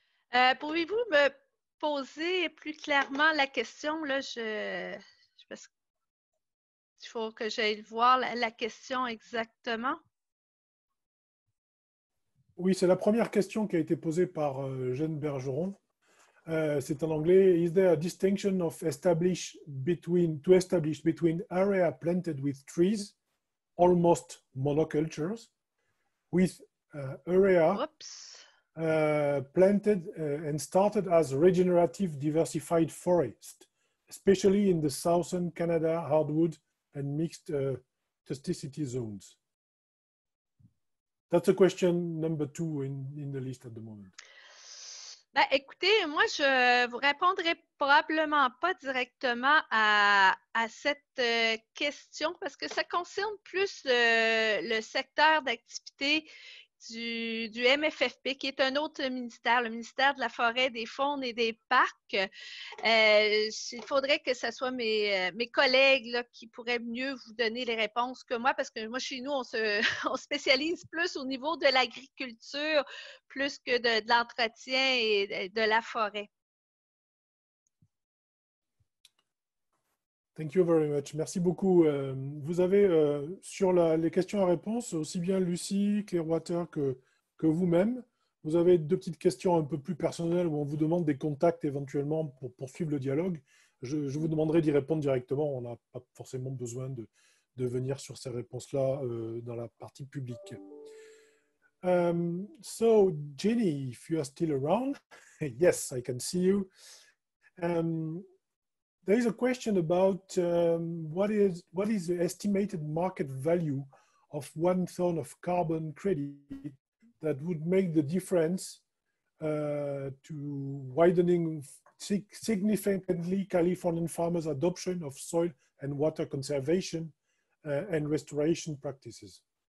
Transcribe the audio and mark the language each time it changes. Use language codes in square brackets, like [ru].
[fr] Pouvez-vous me poser plus clairement la question là, parce qu'il faut que j'aille voir la question exactement. Oui, c'est la première question qui a été posée par Jeanne Bergeron. C'est en anglais. [en] Is there a distinction of establish between to establish between area planted with trees, almost monocultures, with area Oups. planted and started as regenerative diversified forest, especially in the southern Canada hardwood and mixed rusticity zones? That's a question number two in the list at the moment. [fr] Ben, écoutez, moi, je vous répondrai probablement pas directement à cette question parce que ça concerne plus le secteur d'activité du MFFP, qui est un autre ministère, le ministère de la Forêt, des Faunes et des Parcs. Il faudrait que ce soit mes collègues là, qui pourraient mieux vous donner les réponses que moi, parce que moi, chez nous, on spécialise plus au niveau de l'agriculture, plus que de l'entretien et de la forêt. [en] Thank you very much. [fr] Merci beaucoup. Vous avez sur les questions à réponse, aussi bien Lucie Clearwater que vous-même, vous avez deux petites questions un peu plus personnelles où on vous demande des contacts éventuellement pour poursuivre le dialogue. Je vous demanderai d'y répondre directement. On n'a pas forcément besoin de venir sur ces réponses-là dans la partie publique. [en] So, Jenny, if you are still around, yes, I can see you. There is a question about what is the estimated market value of 1 ton of carbon credit that would make the difference to widening significantly Californian farmers' adoption of soil and water conservation and restoration practices.